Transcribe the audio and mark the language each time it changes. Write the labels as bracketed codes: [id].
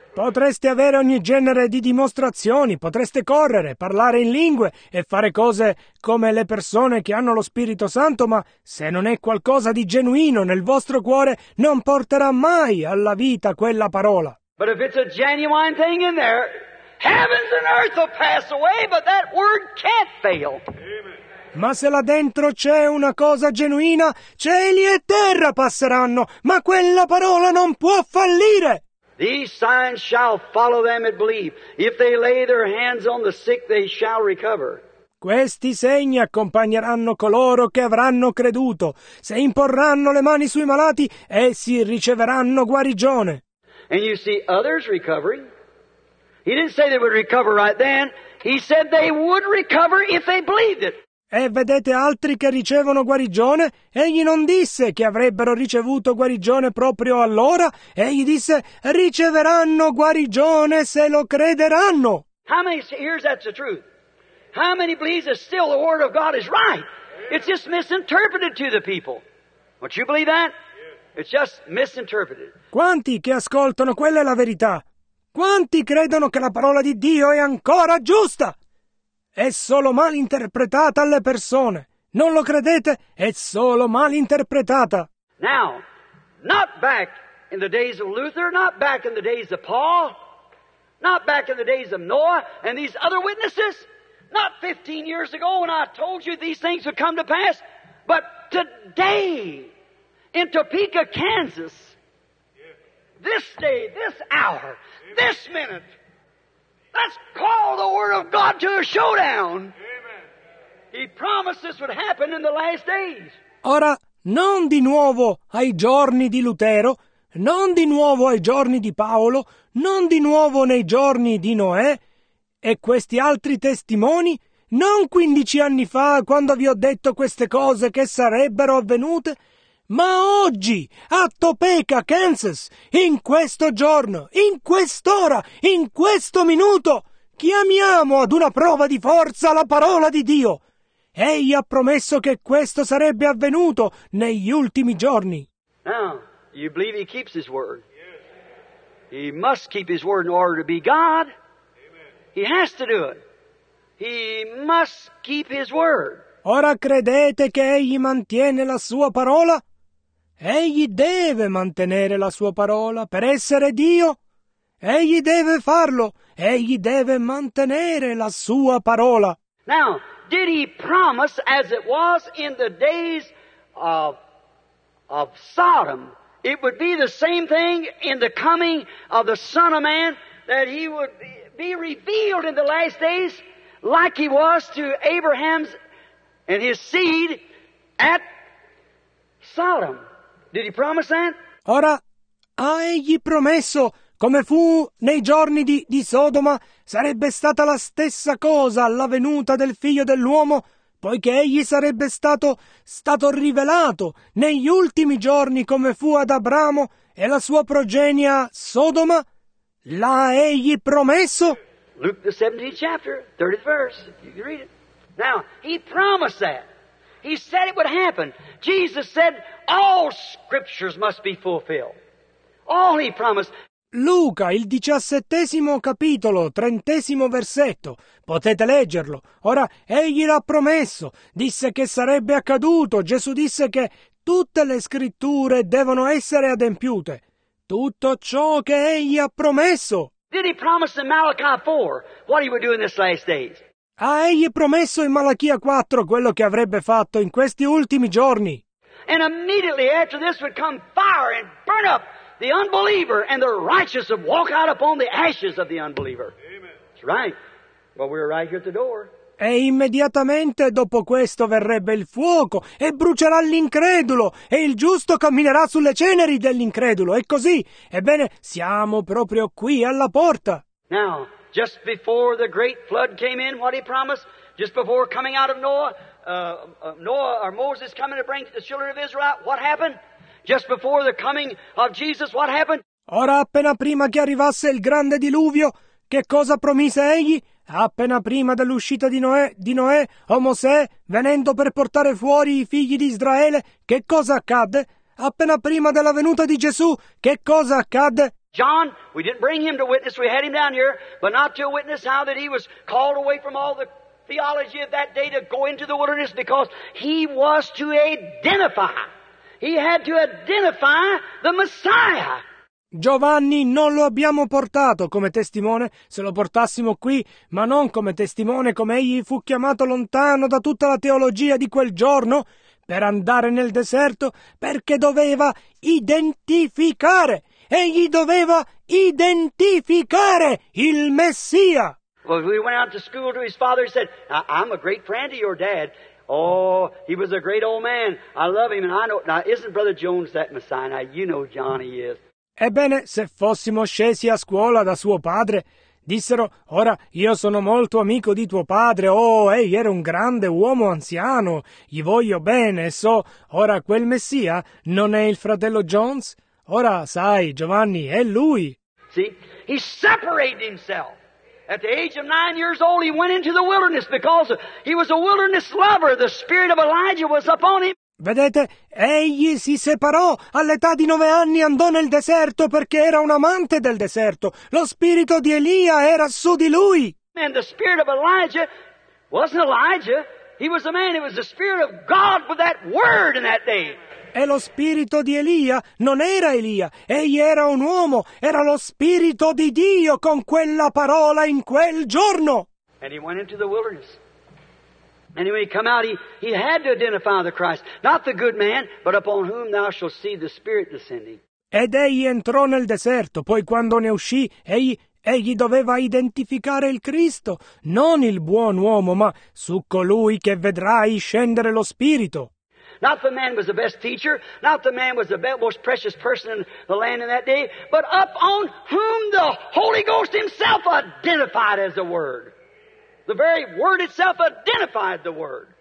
[it] Potreste avere ogni genere di dimostrazioni, potreste correre, parlare in lingue e fare cose come le persone che hanno lo Spirito Santo, ma se non è qualcosa di genuino nel vostro cuore, non porterà mai alla vita quella parola. [en] But if it's a genuine thing in there, heavens and earth will pass away, but that word can't fail. Amen. [it] Ma se là dentro c'è una cosa genuina, cieli e terra passeranno, ma quella parola non può fallire. [en] These signs shall follow them that believe. If they lay their hands on the sick, they shall recover. [it] Questi segni accompagneranno coloro che avranno creduto. Se imporranno le mani sui malati, essi riceveranno guarigione. [en] And you see others recovering. He didn't say they would recover right then. He said they would recover if they believed it. [it] E vedete altri che ricevono guarigione? Egli non disse che avrebbero ricevuto guarigione proprio allora. Egli disse, riceveranno guarigione se lo crederanno. [en] How many hears that's the truth? How many believes that still the word of God is right? It's just misinterpreted to the people. Don't you believe that? It's just misinterpreted. [it] Quanti che ascoltano, quella è la verità. Quanti credono che la parola di Dio è ancora giusta? È solo mal interpretata alle persone. Non lo credete? È solo mal interpretata. [en] Now, not back in the days of Luther, not back in the days of Paul, not back in the days of Noah and these other witnesses, not 15 years ago when I told you these things would come to pass, but today in Topeka, Kansas, this day, this hour, this minute, let's call the word of God to a showdown. Amen. He promised this would happen in the last days. [it] Ora, non di nuovo ai giorni di Lutero, non di nuovo ai giorni di Paolo, non di nuovo nei giorni di Noè e questi altri testimoni, non 15 anni fa quando vi ho detto queste cose che sarebbero avvenute, ma oggi, a Topeka, Kansas, in questo giorno, in quest'ora, in questo minuto, chiamiamo ad una prova di forza la parola di Dio. Egli ha promesso che questo sarebbe avvenuto negli ultimi giorni. [en] Now, you believe he keeps his word? He must keep his word in order to be God. He has to do it. He must keep his word. [it] Ora credete che egli mantiene la sua parola? Egli deve mantenere la sua parola per essere Dio. Egli deve farlo. Egli deve mantenere la sua parola. [en] Now, did he promise as it was in the days of Sodom, it would be the same thing in the coming of the Son of Man, that he would be revealed in the last days like he was to Abraham's and his seed at Sodom? Did he promise that? [it] Ora, ha egli promesso, come fu nei giorni di Sodoma, sarebbe stata la stessa cosa alla venuta del Figlio dell'uomo, poiché egli sarebbe stato rivelato negli ultimi giorni, come fu ad Abramo e la sua progenia Sodoma, l'ha egli promesso. [en] Luke the 17th chapter, 30th verse, if you can read it. Now, he promised that. He said it would happen. Jesus said all scriptures must be fulfilled. All he promised. [it] Luca, il 17° capitolo, 30° versetto. Potete leggerlo. Ora, egli l'ha promesso. Disse che sarebbe accaduto. Gesù disse che tutte le scritture devono essere adempiute. Tutto ciò che egli ha promesso. [en] Did he promise in Malachi 4 what he would do in this last days? [it] Ha egli promesso in Malachia 4 quello che avrebbe fatto in questi ultimi giorni. [en] And immediately after this would come fire and burn up the unbeliever, and the righteous would walk out upon the ashes of the unbeliever. Amen. That's right. Well, we're right here at the door. [it] E immediatamente dopo questo verrebbe il fuoco e brucerà l'incredulo, e il giusto camminerà sulle ceneri dell'incredulo. È così. Ebbene, siamo proprio qui alla porta. [en] Now, just before the great flood came in, what he promised, just before coming out of Noah, Moses coming to bring the children of Israel, what happened? Just before the coming of Jesus, what happened? [it] Ora, appena prima che arrivasse il grande diluvio, che cosa promise egli? Appena prima dell'uscita di Noè, o Mosè, venendo per portare fuori i figli di Israele, che cosa accadde? Appena prima della venuta di Gesù, che cosa accadde? [en] John, we didn't bring him to witness, we had him down here, but not to witness how that he was called away from all the theology of that day to go into the wilderness, because he was to identify. He had to identify the Messiah. [it] Giovanni non lo abbiamo portato come testimone, se lo portassimo qui, ma non come testimone, come egli fu chiamato lontano da tutta la teologia di quel giorno, per andare nel deserto, perché doveva identificare. Egli doveva identificare il Messia. [en] Well, we went out to school to his father, he said, I'm a great friend of your dad. Oh, he was a great old man. I love him and I know. Now, isn't Brother Jones that Messiah? Now, you know Johnny is. [it] Ebbene, se fossimo scesi a scuola da suo padre, dissero, ora io sono molto amico di tuo padre, oh, egli era un grande uomo anziano, gli voglio bene, so, ora quel Messia non è il fratello Jones? Ora, sai, Giovanni, è lui. [en] See, he separated himself. At the age of 9 years old, he went into the wilderness because he was a wilderness lover. The spirit of Elijah was upon him. [it] Vedete, egli si separò all'età di 9 anni, andò nel deserto perché era un amante del deserto. Lo spirito di Elia era su di lui. [en] And the spirit of Elijah wasn't Elijah. He was a man. It was the spirit of God with that word in that day. [it] E lo spirito di Elia non era Elia. Egli era un uomo. Era lo spirito di Dio con quella parola in quel giorno. [en] And he went into the wilderness. And when he came out, he had to identify the Christ, not the good man, but upon whom thou shalt see the Spirit descending. [it] Ed egli entrò nel deserto, poi quando ne uscì, egli doveva identificare il Cristo, non il buon uomo, ma su colui che vedrai scendere lo Spirito. [en] Not the man was the best teacher, not the man was the most precious person in the land in that day, but upon whom the Holy Ghost himself identified as the Word. The very word itself identified the word.